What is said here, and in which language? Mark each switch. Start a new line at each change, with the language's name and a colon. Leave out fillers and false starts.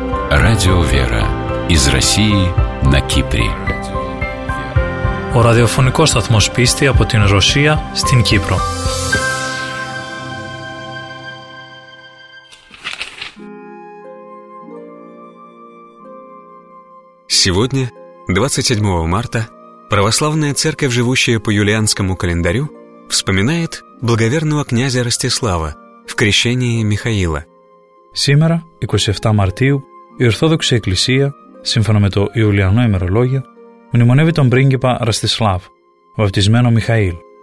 Russian: Радио «Вера» из России на Кипре.
Greek: Ο ραδιοφωνικός σταθμός πίστη από την Ρωσία στην Κύπρο.
Russian: Сегодня, 27 марта, православная церковь, живущая по юлианскому календарю, вспоминает благоверного князя Ростислава в крещении Михаила.
Greek: Сегодня, 27 марта, η Ορθόδοξη Εκκλησία, σύμφωνα με το Ιουλιανό ημερολόγιο, μνημονεύει τον πρίγκιπα Ραστισλάβ, βαπτισμένο Μιχαήλ.